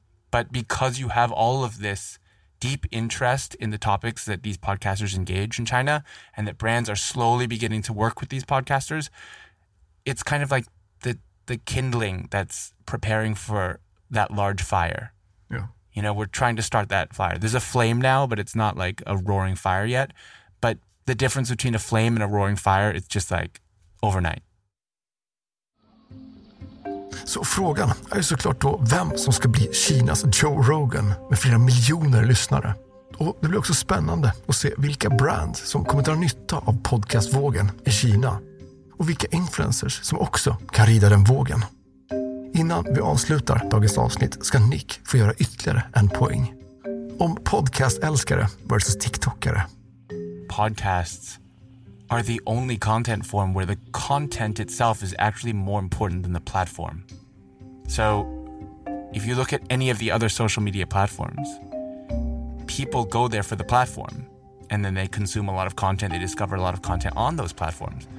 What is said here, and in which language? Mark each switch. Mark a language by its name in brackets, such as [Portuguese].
[English] But because you have all of this deep interest in the topics that these podcasters engage in China, and that brands are slowly beginning to work with these podcasters, it's kind of like the kindling that's preparing for that large fire. Yeah. You know, we're trying to start that fire. There's a flame now, but it's not like a roaring fire yet. But the difference between a flame and a roaring fire, it's just like overnight. [Swedish] Så frågan är ju såklart då vem som ska bli Kinas Joe Rogan med flera miljoner lyssnare. Och det blir också spännande att se vilka brands som kommer dra nytta av podcastvågen i Kina. Och vilka influencers som också kan rida den vågen. Innan vi avslutar dagens avsnitt ska Nick få göra ytterligare en poäng. Om podcastälskare versus TikTokare. [English] Podcasts are the only content form where the content itself is actually more important than the platform. So, if you look at any of the other social media platforms, people go there for the platform, and then they consume a lot of content, they discover a lot of content on those platforms.